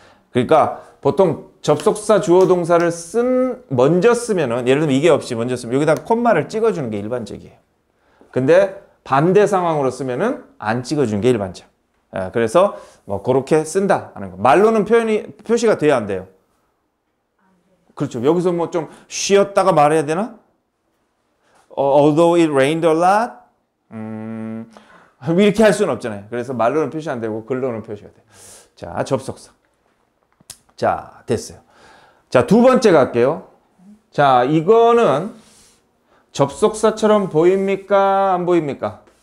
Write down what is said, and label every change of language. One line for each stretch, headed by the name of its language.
Korean: 그러니까 보통 접속사 주어 동사를 쓴, 먼저 쓰면은, 예를 들면 이게 없이 먼저 쓰면 여기다 콤마를 찍어주는 게 일반적이에요. 근데 반대 상황으로 쓰면은 안 찍어주는 게 일반적. 예. 네. 그래서 뭐 그렇게 쓴다 하는 거. 말로는 표현이, 표시가 돼야 안 돼요. 그렇죠. 여기서 뭐 좀 쉬었다가 말해야 되나?
English: Although it rained a lot.
Korean: 이렇게 할 수는 없잖아요. 그래서 말로는 표시 안 되고 글로는 표시가 돼. 자, 접속사. 자, 됐어요. 자, 두 번째 갈게요. 자, 이거는 접속사처럼 보입니까? 안 보입니까?